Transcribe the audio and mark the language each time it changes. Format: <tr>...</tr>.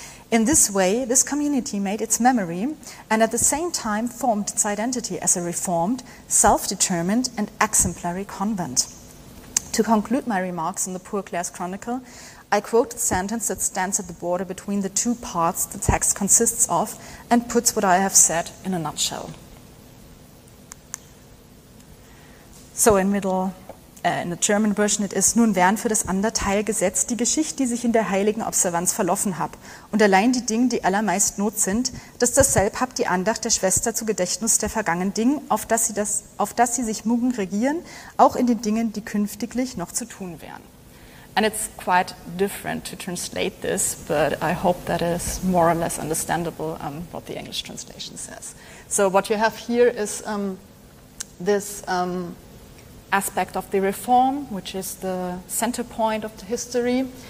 <en>In this way, this community made its memory and at the same time formed its identity as a reformed, self-determined and exemplary convent. To conclude my remarks on the Poor Clares Chronicle, I quote the sentence that stands at the border between the two parts the text consists of and puts what I have said in a nutshell. So in middle, in the German version, it is</en> <de>nun wären für das andere Teil gesetzt die Geschichte, die sich in der heiligen Observanz verlaufen hab, und allein die Dinge, die allermeist not sind, dass dasselb hab die Andacht der Schwester zu Gedächtnis der vergangenen Dinge, auf dass sie sich mugen regieren, auch in den Dingen, die künftiglich noch zu tun wären.</de> <en>And it's quite different to translate this, but I hope that is more or less understandable what the English translation says. So what you have here is this aspect of the reform, which is the center point of the history.</en>